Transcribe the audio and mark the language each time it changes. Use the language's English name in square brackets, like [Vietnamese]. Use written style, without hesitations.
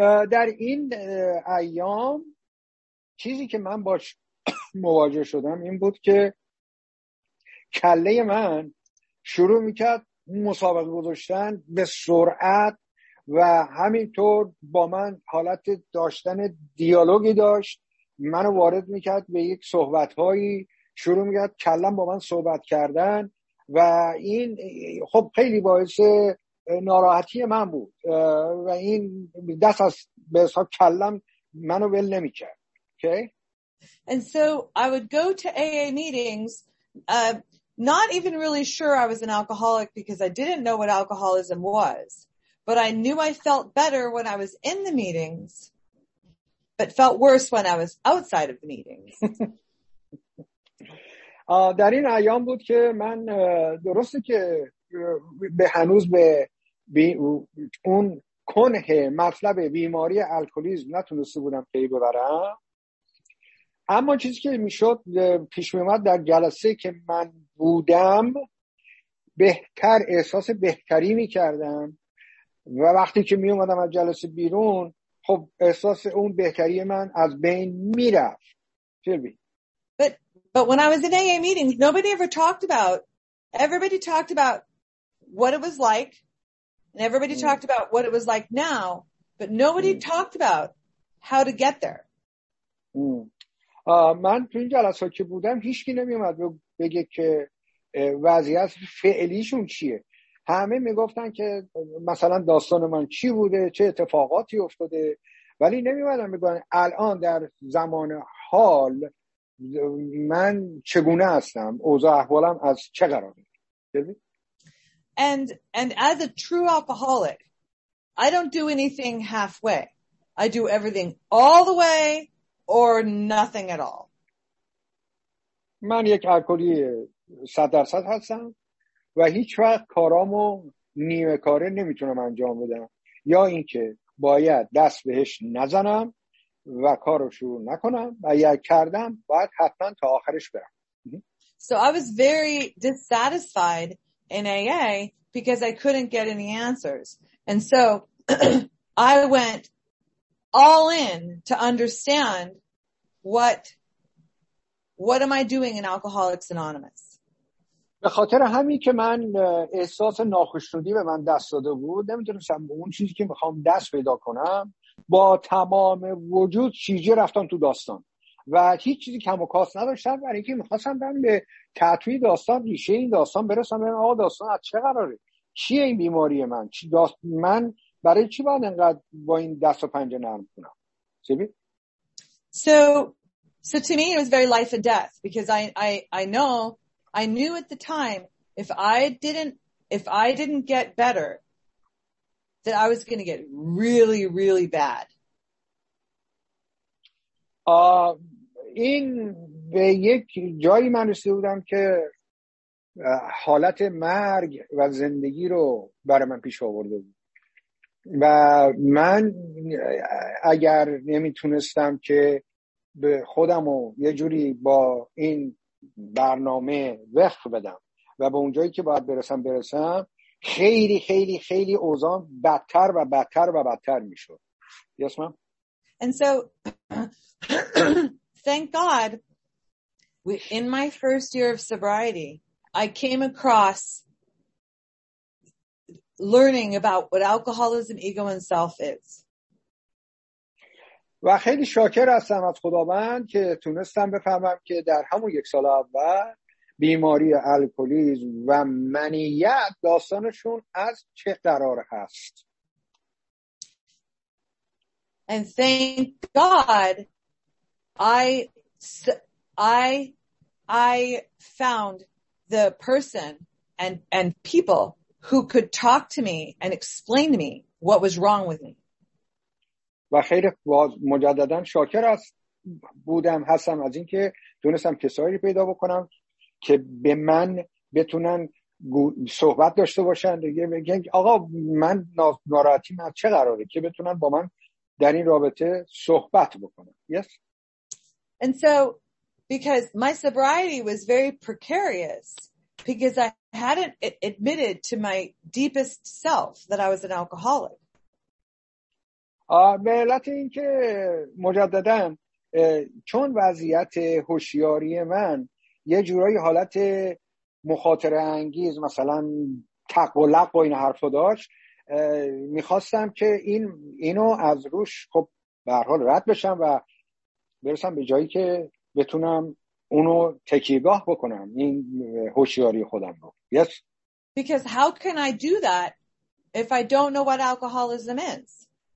[Persian] در این ایام چیزی که من باش مواجه شدم این بود که کله من شروع میکرد مسابقه گذاشتن به سرعت و همینطور با من حالت داشتن دیالوگی داشت، منو وارد میکرد به یک صحبتهایی، شروع میکرد کلم با من صحبت کردن و این خب خیلی باعث ناراحتی من بود و این دست از به حساب کلم منو ول نمیکرد. [English] Okay. And so I would go to AA meetings not even really sure I was an alcoholic because I didn't know what alcoholism was. But I knew I felt better when I was in the meetings, but felt worse when I was outside of the meetings. [Persian] در این ایام بود که من درسته که به هنوز به اون کنه مطلب بیماری الکلیسم نتونسته بودم پی ببرم. اما چیزی که میشد پیش میومد در جلسه که من بودم بهتر احساس بهتری میکردم. و وقتی که می اومدم از جلسه بیرون خب احساس اون بهتری من از بین میرفت. [English] But when I was in AA meetings nobody ever talked about, everybody talked about what it was like and everybody talked about what it was like now but nobody talked about how to get there. [Persian] من تو این جلسه که بودم هیچکی نمی اومد بگه که وضعیت فعلیشون چیه. همه میگفتن که مثلا داستان من چی بوده، چه اتفاقاتی افتاده ولی نمیمدن بگن الان در زمان حال من چگونه هستم، اوضاع احوالم از چه قراره. [English] And as a true alcoholic, I don't do anything halfway. I do everything all the way or nothing at all. [Persian] من یک الکلی 100% هستم و هیچ وقت کارامو نیمه کاره نمیتونم انجام بدم، یا اینکه باید دست بهش نزنم و کارو شروع نکنم و یا کردم باید حتما تا آخرش برم. [English] So I was very dissatisfied in AA because I couldn't get any answers. And so I went all in to understand what am I doing in Alcoholics Anonymous. [Persian] به خاطر همین که من احساس ناخوشنودی به من دست داده بود، نمیدونستم به اون چیزی که میخوام دست پیدا کنم، با تمام وجود شیجه رفتم تو داستان و هیچ چیزی کم و کاست نداشتم، برای اینکه میخواستم برم به تطوی داستان، ریشه این داستان برسم، برم آقا داستان از چه قراره، چیه این بیماری من، چی داست من برای چی باید انقدر با این دست و پنجه نرم کنم. [English] So to me it was very life and death, because I knew at the time if I didn't get better that I was going to get really really bad. [Persian] این به یک جایی من رسیده بودم که حالت مرگ و زندگی رو برای من پیش آورده بود و من اگر نمیتونستم که به خودم رو یه جوری با این برنامه وقف بدم و به اونجایی که باید برسم خیلی خیلی خیلی اوضاع بدتر و بدتر و بدتر میشد. [English] Yes, ma'am. And so thank God in my first year of sobriety I came across learning about what alcoholism, ego and self is. [Persian] و خیلی شاکر هستم از خداوند که تونستم بفهمم که در همون یک سال اول بیماری الکلیسم و منیت داستانشون از چه قرار هست. [English] And thank God I found the person and people who could talk to me and explain to me what was wrong with me. [Persian] و خیلی باز مجددا شاکر هستم از اینکه تونستم کسایی پیدا بکنم که به من بتونن صحبت داشته باشن، بگن آقا من ناراحتی من چه قراره، که بتونن با من در این رابطه صحبت بکنن. [English] Yes. And so because my sobriety was very precarious because I hadn't admitted to my deepest self that I was an alcoholic. [Persian] به علت این که مجدداً چون وضعیت هوشیاری من یه جورایی حالت مخاطره انگیز مثلا تق و لق و این حرف رو داشت، میخواستم که اینو از روش خب به هر حال رد بشم و برسم به جایی که بتونم اونو تکیگاه بکنم، این هوشیاری خودم رو. [English] Yes. Because how can I do that if I don't know what alcoholism is?